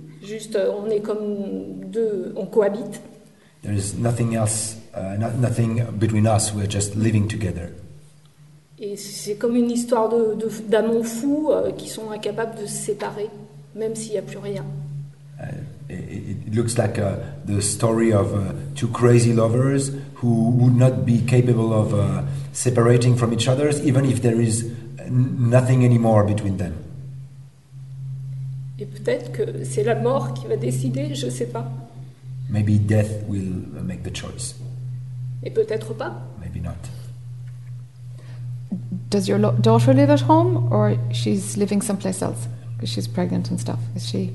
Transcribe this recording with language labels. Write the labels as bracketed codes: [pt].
[fr] Juste, on est comme deux, on cohabite. [en] There is nothing else, nothing between us. We're just living together. [fr] Et c'est comme une histoire d'amants fous qui sont incapables de se séparer, même s'il n'y a plus rien. [en] It looks like the story of two crazy lovers who would not be capable of separating from each other, even if there is nothing anymore between them. [fr] Et peut-être que c'est la mort qui va décider, je sais pas. [en] Maybe death will make the choice. [fr] Et peut-être pas. [en] Maybe not. Does your daughter live at home or she's living someplace else? Because she's pregnant and stuff. Is she?